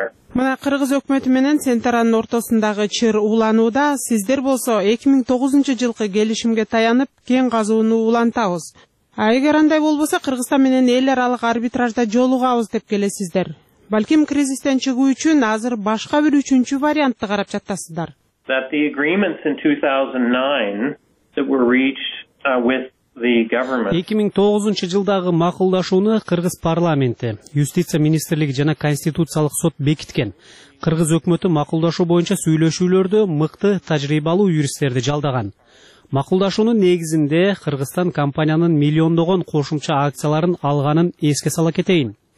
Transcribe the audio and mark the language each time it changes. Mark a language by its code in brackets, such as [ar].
[ky] Мына кыргыз өкмөтү менен Центеранын ортосундагы чыр уланууда сиздер болсо 2009 жылкы келишимге таянып кен казууну улантабыз. А эгер андай болбосо Кыргызстан менен эл аралык арбитражда жолугабыз деп келесиздер. Балким кризистен чыгуу үчүн азыр башка бир үчүнчү вариантты карап жатасыздар. [en] That the agreements in 2009 that were reached with the government. [ky] 2009 жылдагы макулдашууну Кыргыз парламенти, юстиция министрлиги жана конституциялык сот бекиткен. Кыргыз өкмөтү макулдашуу боюнча сүйлөшүүлөрдө мыкты тажрыйбалуу юристтерди жалдаган. Макулдашуунун негизинде Кыргызстан компаниянын миллиондогон кошумча акцияларын алганын эске сала кетейин.